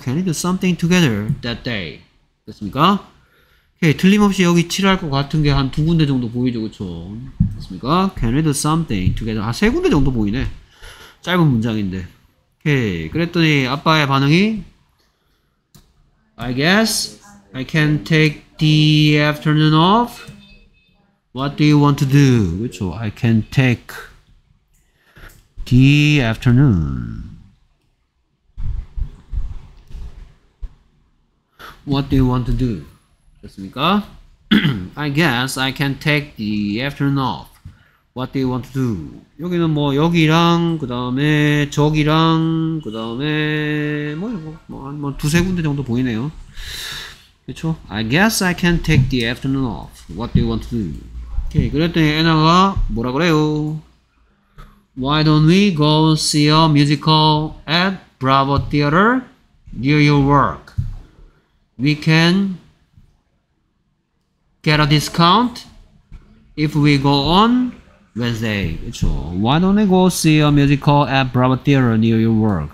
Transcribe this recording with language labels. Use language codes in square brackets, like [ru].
[en] Can we do something together that day? [ko] 됐습니까? 오케이, 틀림없이 여기 칠할 것 같은 게 한 두 군데 정도 보이죠? 그쵸? 됐습니까? [en] Can we do something together? [ko] 아, 세 군데 정도 보이네. 짧은 문장인데. 오케이, 그랬더니 아빠의 반응이? [en] I guess I can take the afternoon off. What do you want to do? [ko] 그쵸? [en] I can take the afternoon. What do you want to do? [ko] 됐습니까? [en] I guess I can take the afternoon off. What do you want to do? [ko] 여기는 뭐 여기랑 그 다음에 저기랑 그 다음에 뭐 두세 군데 정도 보이네요. 그쵸? [en] I guess I can take the afternoon off. What do you want to do? [ko] 오케이, 그랬더니 에나가 뭐라 그래요? [en] Why don't we go see a musical at Bravo Theater near your work? We can get a discount if we go on Wednesday. [ko] 그렇죠. [en] Why don't we go see a musical at Bravo Theater near your work?